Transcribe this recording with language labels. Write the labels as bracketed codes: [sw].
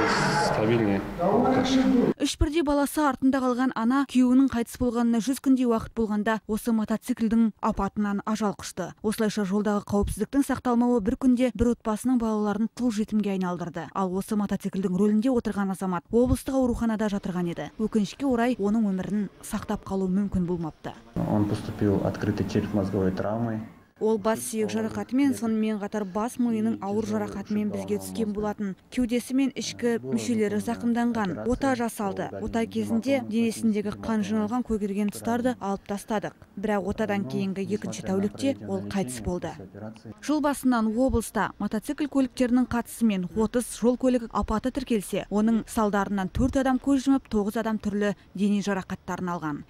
[kk] Үш бірдей баласы артында қалған ана күйеуінің қайтыс болғанына 100 күндей уақыт болғанда осы мотоциклдің апатынан ажал құшты. Осылайша жолдағы қауіпсіздіктің сақталмауы бір күнде бір отбасының балаларын тұл жетімге айналдырды. Ал осы мотоциклдің рөлінде отырған азамат облыстық ауруханада жатырған еді. Өкінішке орай оның өмірін сақтап қалу мүмкін болмапты. [ru] Он поступил открытой черепно-мозговой травмой. [kk] Ол бас сүйек жарақатымен, сонымен қатар бас мойының ауыр жарақатымен бізге түскен болатын. Кеудесі мен ішкі мүшелері зақымданған. Ота жасалды. Ота кезінде денесіндегі қан жиналған көгерген тұстарды алып тастадық. Бірақ отадан кейінгі екінші тәулікте ол қайтыс болды. Жыл басынан облыста мотоцикл көліктерінің қатысымен 30 жол көлік апаты тіркелсе, оның салдарынан 4 адам көз жұмып, 9 адам түрлі дене жарақаттарын алған.